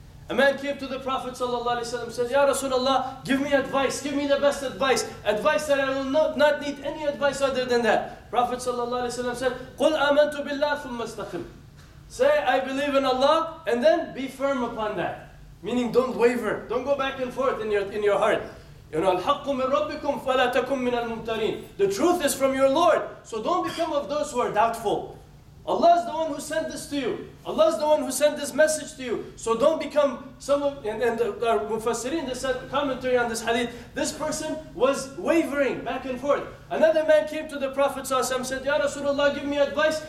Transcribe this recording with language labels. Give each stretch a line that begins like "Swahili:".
English: A man came to the Prophet sallallahu alaihi wasallam, said, Ya Rasulullah, give me advice, give me the best advice. Advice that I will not need any advice other than that. Prophet sallallahu alaihi wasallam said,
Arabic: قُلْ أَمَنْتُ بِاللَّهِ ثُمَّ اسْتَقِمْ
English: Say, I believe in Allah, and then be firm upon that. Meaning don't waver, don't go back and forth in your heart. You know,
Arabic: الحق من ربكم فلا تكن من الممترين.
English: The truth is from your Lord, so don't become of those who are doubtful. Allah is the one who sent this to you. Allah is the one who sent this message to you. So don't become some of, and the Mufassirin, they said, commentary on this hadith, this person was wavering back and forth. Another man came to the Prophet ﷺ and said, Ya Rasulullah, give me advice.